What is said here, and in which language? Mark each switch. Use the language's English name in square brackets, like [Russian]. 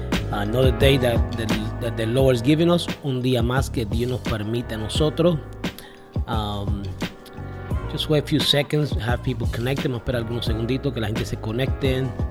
[English] Another day that the Lord is giving us. [Spanish] Un día más que Dios nos permite a nosotros. [English] Just wait a few seconds, have people connect. [Spanish] Vamos a esperar algunos segunditos que la gente se conecten.